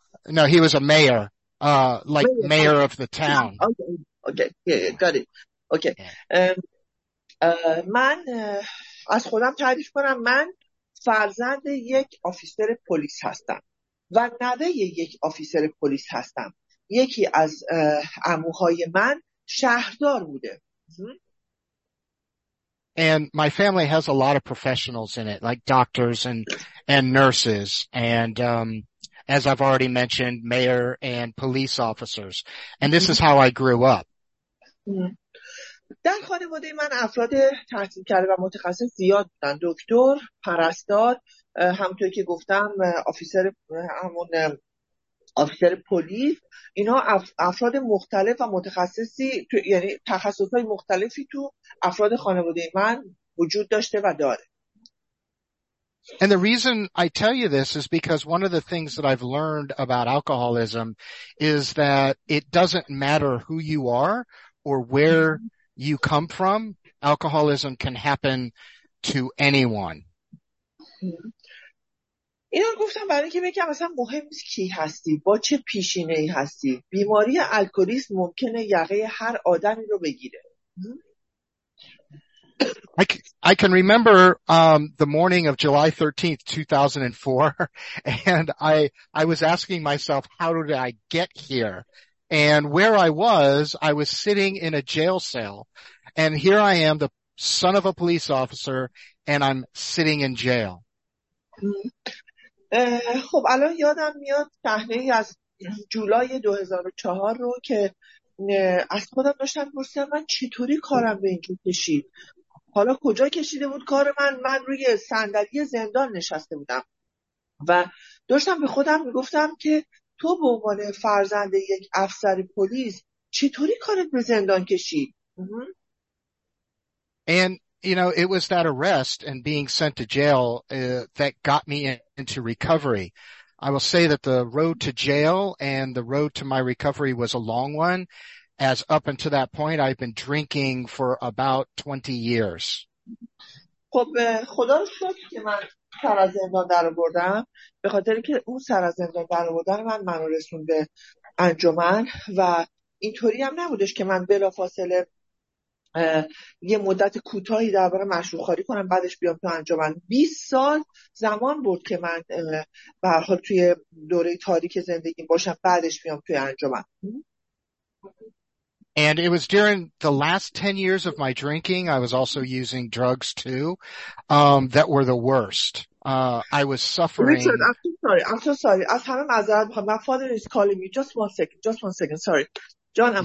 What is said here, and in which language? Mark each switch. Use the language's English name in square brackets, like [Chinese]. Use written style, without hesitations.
[English] No, he was a mayor, like mayor of the town. Okay, got it. Okay. [Persian] من از خودم تعریف کنم، من فرزند یک آفیسر پلیس هستم. و نده یک آفیسر پلیس هستم. یکی از عموهای من شهردار بوده. [English] And my family has a lot of professionals in it, like doctors and nurses and as I've already mentioned, mayor and police officers. And this is how I grew up. [Persian] در خانواده من افراد تحصیل کرده و متخصص زیاد بودن. دکتر، پرستار، همونطور که گفتم آفیسر، همون آفیسر پلیس، اینا افراد مختلف و متخصصی، یعنی تخصص‌های مختلفی تو افراد خانواده من وجود داشته و داره. [English] And the reason I tell you this is because one of the things that I've learned about alcoholism is that it doesn't matter who you are or where you come from, alcoholism can happen to anyone. [Persian] اینا گفتم برای اینکه بگم مثلا مهم نیست کی هستی، با چه پیشینه ای هستی، بیماری الکلیسم ممکنه یقه هر آدمی رو بگیره. [English] I can remember the morning of July 13th, 2004, and I was asking myself, how did I get here? And where I was sitting in a jail cell, and here I am, the son of a police officer, and I'm sitting in jail. [Persian] خب الان یادم میاد صحنه ای از جولای 2004 رو که از خودم داشتم پرسیدم من چطوری کارم به اینجا کشید، حالا کجا کشیده بود کار من؟ من روی صندلی زندان نشسته بودم و داشتم به خودم میگفتم که تو به عنوان فرزند یک افسر پلیس چطوری کارت به زندان کشید؟ [English] And you know, it was that arrest and being sent to jail that got me into recovery. I will say that the road to jail and the road to my recovery was a long one, as up until that point I've been drinking for about 20 years. [Persian] خب خدا رو شکر که من سر از زندان در آوردم، به خاطر که اون سر از زندان در آوردن منو رسوند به انجمن و اینطوری هم نبودش که من بلافاصله یه مدت کوتاهی درباره مشروع‌خواری کنم بعدش بیام تو انجمن. 20 سال زمان بود که من به هر حال توی دوره تاریک زندگی باشم بعدش بیام توی انجمن. [English] And it was during the last 10 years of my drinking, I was also using drugs too, that were the worst. I was suffering. Richard, I'm so sorry. [Persian] از همه معذرت میخوام. [English] My father is calling me. Just one second. Sorry. John, I'm